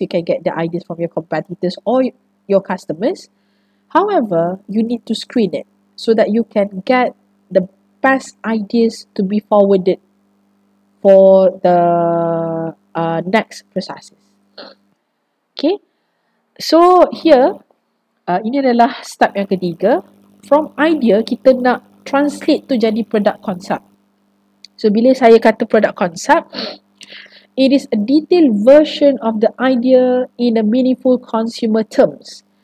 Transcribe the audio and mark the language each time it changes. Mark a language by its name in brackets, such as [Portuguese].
[English] You can get the ideas from your competitors or your customers. However, you need to screen it so that you can get the best ideas to be forwarded for the next processes. Okay, so here, [Malay] ini adalah step yang ketiga. [English] From idea, [Malay] kita nak translate tu jadi product concept. [English] So, [Malay] bila saya kata [English] product concept, it is a detailed version of the idea in a meaningful consumer terms.